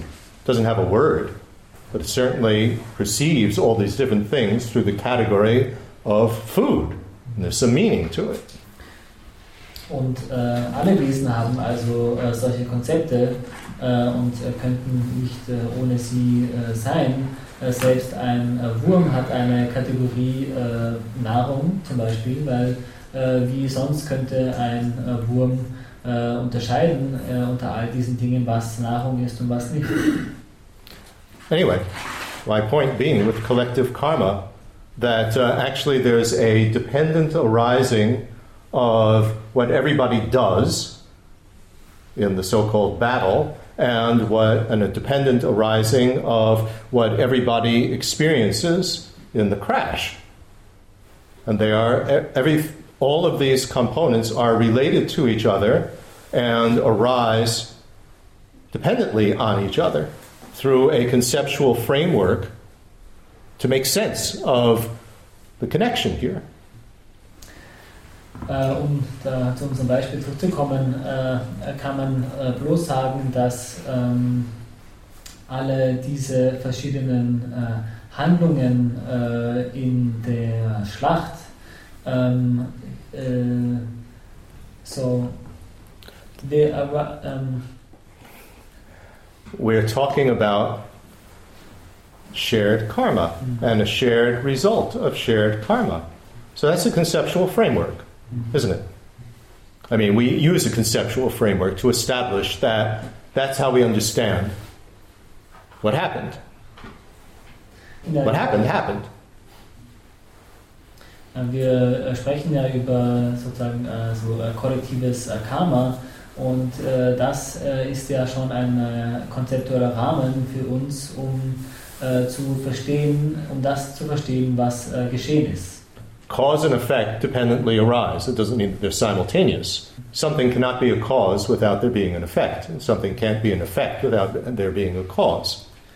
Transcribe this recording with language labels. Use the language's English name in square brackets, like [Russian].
[English] It doesn't have a word, but it certainly perceives all these different things through the category of food. And there's some meaning to it. [German] Und alle Wesen haben also solche Konzepte und könnten nicht ohne sie sein. Selbst ein Wurm hat eine Kategorie Nahrung zum Beispiel, weil wie sonst könnte ein Wurm unterscheiden unter all diesen Dingen, was Nahrung ist und was nicht. [English] Anyway, my point being with collective karma, that actually there's a dependent arising of what everybody does in the so-called battle, and a dependent arising of what everybody experiences in the crash. And they are, all of these components are related to each other and arise dependently on each other through a conceptual framework to make sense of the connection here. [German] Um da zu unserem Beispiel zurückzukommen, kann man bloß sagen, dass alle diese verschiedenen Handlungen in der Schlacht [English] we're talking about shared karma and a shared result of shared karma. So that's a conceptual framework, isn't it? I mean, we use a conceptual framework to establish that That's how we understand what happened. What happened, happened. [German] Wir sprechen ja über sozusagen so kollektives Karma und das ist ja schon ein konzeptueller Rahmen für uns, um zu verstehen, um das zu verstehen, was geschehen ist. [English] Cause and effect dependently arise. It doesn't mean they're simultaneous. Something cannot be a cause without there being an effect. Something can't be an effect without there being a cause.